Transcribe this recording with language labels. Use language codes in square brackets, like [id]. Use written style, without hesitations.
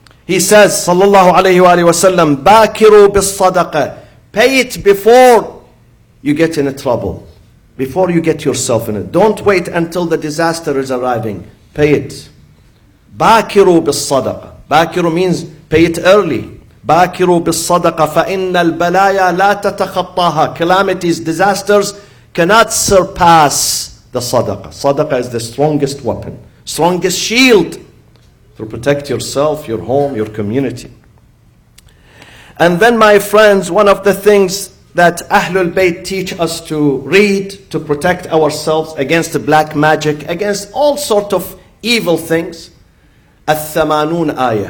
[en] He says, sallallahu alayhi wa sallam, bakiru bis-sadaqah. Pay it before you get in trouble. Before you get yourself in it. Don't wait until the disaster is arriving. Pay it. Bakiru bis-sadaqah. Bakiru means pay it early. [ar] باكروا بالصدقة فإن البلايا لا تتخطاها. [en] Calamities, disasters cannot surpass the صدقة. صدقة is the strongest weapon, strongest shield to protect yourself, your home, your community. And then my friends, one of the things that Ahlul Bayt teach us to read to protect ourselves against the black magic, against all sort of evil things, الثمانون آية.